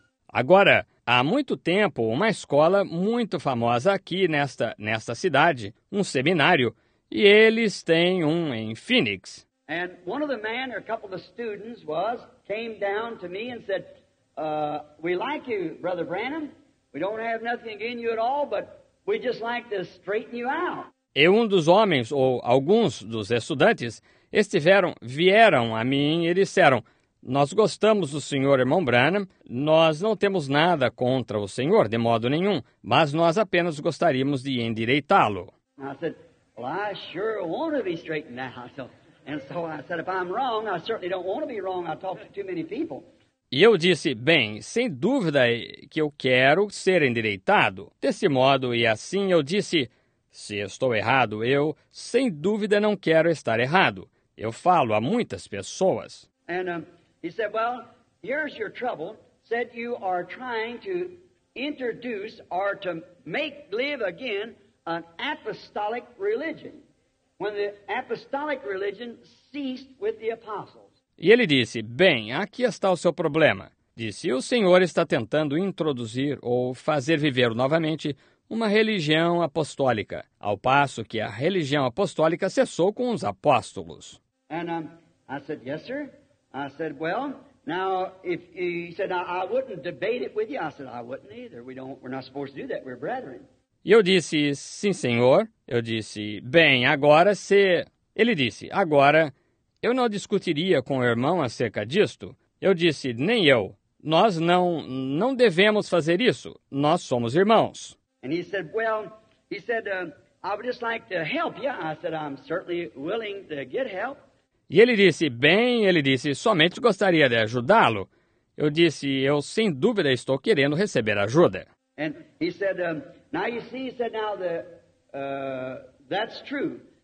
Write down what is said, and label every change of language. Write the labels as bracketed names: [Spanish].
[Portuguese] Agora, há muito tempo, uma escola muito famosa aqui nesta cidade, um seminário, e eles têm um em Phoenix. [English] And one of the men, or a couple of the students, came down to me and said, we like you, Brother Branham. We don't have nothing against you at all, but we just like to straighten you out. [Portuguese] E um dos homens, ou alguns dos estudantes, vieram a mim e disseram, nós gostamos do senhor, irmão Branham, nós não temos nada contra o senhor, de modo nenhum, mas nós apenas gostaríamos de endireitá-lo. [English] I said, well, I sure want to be straightened out. So I said, if I'm wrong, I certainly don't want to be wrong. I talk to too many people. [Portuguese] E eu disse, bem, sem dúvida que eu quero ser endireitado. Desse modo e assim eu disse, se estou errado, eu sem dúvida não quero estar errado. Eu falo a muitas pessoas. [English] And he said, well, here's your trouble. Said you are trying to introduce or to make live again an apostolic religion. When the apostolic religion ceased with the apostles. [Portuguese] E ele disse, bem, aqui está o seu problema. Disse, o senhor está tentando introduzir ou fazer viver novamente uma religião apostólica, ao passo que a religião apostólica cessou com os apóstolos. [English] And I said, yes, sir. I said, well, now, if he said, I wouldn't debate it with you. I said, I wouldn't either. We're not supposed to do that. We're brethren. [Portuguese] E eu disse, sim, senhor. Eu disse, bem, agora se... Ele disse, agora... Eu não discutiria com o irmão acerca disto. Eu disse, nem eu. Nós não devemos fazer isso. Nós somos irmãos. [English] And he said, well, he said, I would just like to help you. I said, I'm certainly willing to get help. [Portuguese] E ele disse, bem, somente gostaria de ajudá-lo. Eu disse, eu sem dúvida estou querendo receber ajuda. [English] And he said, now you see, he said, now the, that's true.